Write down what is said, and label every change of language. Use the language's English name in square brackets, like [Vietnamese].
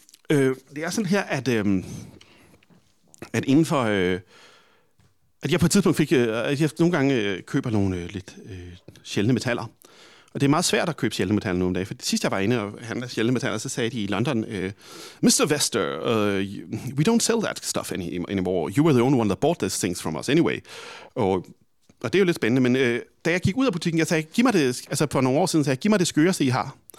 [Danish] Det er sådan her, at, at inden for, at jeg på et tidspunkt fik, at jeg nogle gange køber nogle lidt sjældne metaller. Og det er meget svært at købe sjældne metaller nu om dagen, for det sidste, jeg var inde og handle sjældne metaller, så sagde de i London, Mr. [English] Vester, we don't sell that stuff anymore. You were the only one that bought these things from us anyway. [Danish] Og det er jo lidt spændende, men da jeg gik ud af butikken, jeg sagde, giv mig det, altså for nogle år siden, sagde jeg, giv mig det skøreste, I har.